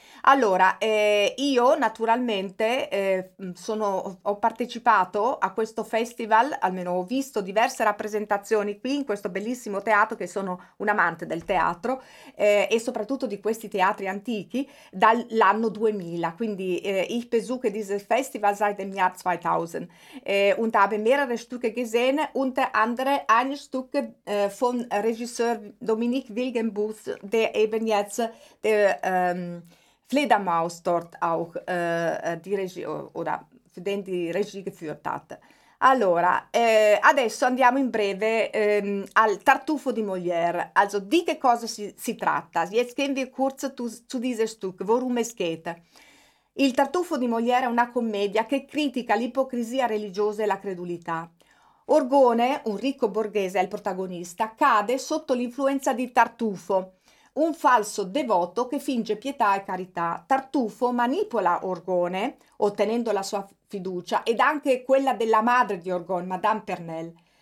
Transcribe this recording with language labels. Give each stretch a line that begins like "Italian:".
Italian: Allora, io naturalmente ho partecipato a questo festival, almeno ho visto diverse rappresentazioni qui in questo bellissimo teatro, che sono un amante del teatro e soprattutto di questi teatri antichi, dall'anno 2000.
German: Quindi ich besuche dieses Festival seit dem Jahr 2000 und habe mehrere Stücke gesehen, unter andere ein Stück von Regisseur Dominique Wilgenbooth, der eben jetzt der Fledermaus dort auch die Regie oder für den die Regie geführt hat.
Italian: Allora, adesso andiamo in breve al Tartufo di Molière. Also, di che cosa si tratta?
German: Jetzt gehen wir kurz zu dieses Stück, worum es geht.
Italian: Il Tartufo di Molière è una commedia che critica l'ipocrisia religiosa e la credulità. Orgone, un ricco borghese, è il protagonista, cade sotto l'influenza di Tartufo, un falso devoto che finge pietà e carità. Tartufo manipola Orgone, ottenendo la sua fiducia, ed anche quella della madre di Orgone, Madame Pernelle.